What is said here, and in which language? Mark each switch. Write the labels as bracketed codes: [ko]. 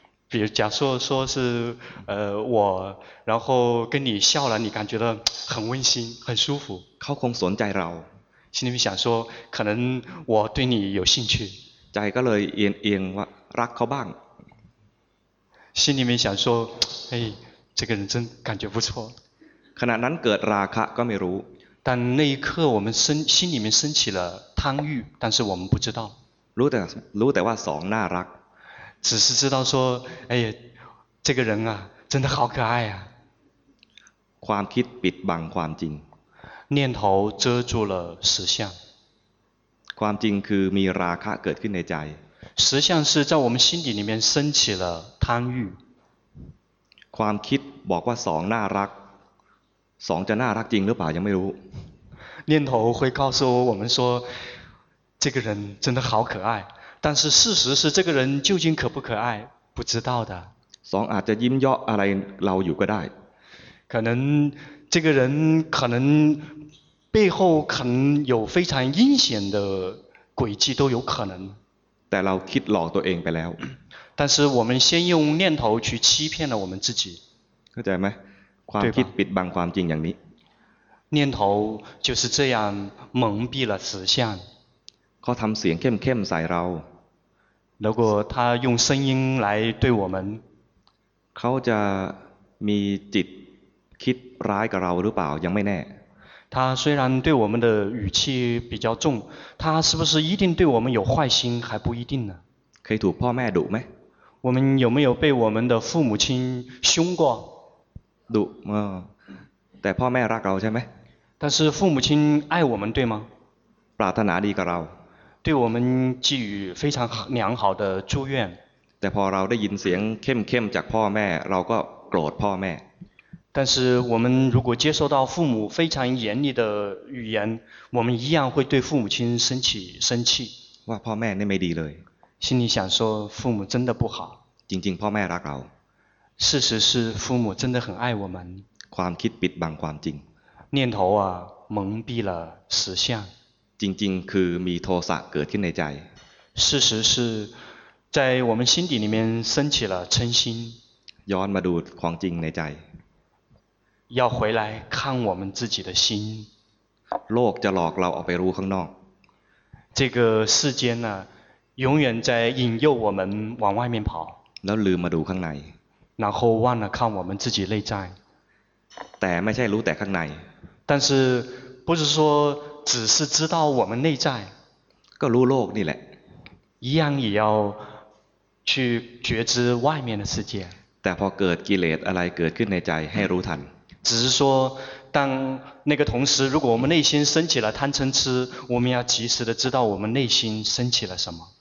[zh] 比如假设说是我然后跟你笑了，你感觉到很温馨很舒服， [th] เขาคงสนใจเรา [zh] 心里面想说可能我对你有兴趣， [th] ใจก็เลยเอียงว่ารักเขาบ้าง [zh] 心里面想说哎这个人真感觉不错， [th] ขณะนั้นเกิดราคะก็ไม่รู้ [zh] 但那一刻我们心里面升起了贪欲，但是我们不知道， [th] รู้แต่ว่าสองน่ารัก [zh] 只是知道说哎呀这个人啊真的好可爱啊， [th] ความคิดปิดบังความจริง [zh] 念头遮住了实相， [th] ความจริงคือมีราคะเกิดขึ้นในใจ [zh] 实相是在我们心底里面升起了贪欲， [th] ความคิดบอกว่าสองน่ารักสองจะน่ารักจริงหรือเปล่ายังไม่รู [zh] 念头会告诉我们说这个人真的好可爱，但是事实是这个人究竟可不可爱不知道的， [th] สองอาจจะยิ้มเยาะอะไรเราอยู่ก็ได้ [zh] 可能这个人可能背后可能有非常阴险的诡计都有可能， [th] แต่เราคิดหลอกตัวเองไปแล้ว [zh] 但是我们先用念头去欺骗了我们自己， [th] เข้าใจไหมความคิดปิดบังความจริงอย่างนี้ [zh] 念头就是这样蒙蔽了实相， [th] เขาทำเสียงเข้มๆใส่เรา [zh] 如果他用声音来对我们， [th] เขาจะมีจิตคิดร้ายกับเราหรือเปล่ายังไม่แน่ [zh] 他虽然对我们的语气比较重，他是不是一定对我们有坏心还不一定呢？可以 [th] ถูกพ่อแม่ดุไหม？ [zh] 我们有没有被我们的父母亲凶过？ [th] ดุมาแต่พ่อแม่รักเราใช่ไหม？ [zh] 但是父母亲爱我们对吗？ [th] ปรารถนาดีกับเรา [zh] 对我们寄予非常良好的祝愿。 [th] แต่พอเราได้ยินเสียงเข้มๆจากพ่อแม่เราก็โกรธพ่อแม่ [zh] 但是我们如果接受到父母非常严厉的语言，我们一样会对父母亲生起生气。 [th] 哇，พ่อแม่เนี่ยไม่ดีเลย。 [zh] 心里想说父母真的不好。 [th] จริงๆพ่อแม่รักเรา。 [zh] 事实是父母真的很爱我们。 [th] ความคิดปิดบังความจริง。 [zh] 念头啊蒙蔽了实相。 [th] จริงๆคือมีโทสะเกิดขึ้นในใจ。 [zh] 事实是在我们心底里面升起了嗔心。 [th] ย้อนมาดูความจริงในใจ。 [zh] 要回来看我们自己的心。 [th] โลกจะหลอกเราออกไปรู้ข้างนอก。 [zh] 这个世间呢，永远在引诱我们往外面跑。 [th] แล้วลืมมาดูข้างใน。 [zh] 然后忘了看我们自己内在。 [th] แต่ไม่ใช่รู้แต่ข้างใน。 [zh] 但是不是说只是知道我们内在。 [th] ก็รู้โลกนี่แหละ。 [zh] 一样也要去觉知外面的世界。 [th] แต่พอเกิดกิเลสอะไรเกิดขึ้นในใจให้รู้ทัน。 [zh] 只是说当那个同时如果我们内心升起了贪嗔痴，我们要及时的知道我们内心升起了什么。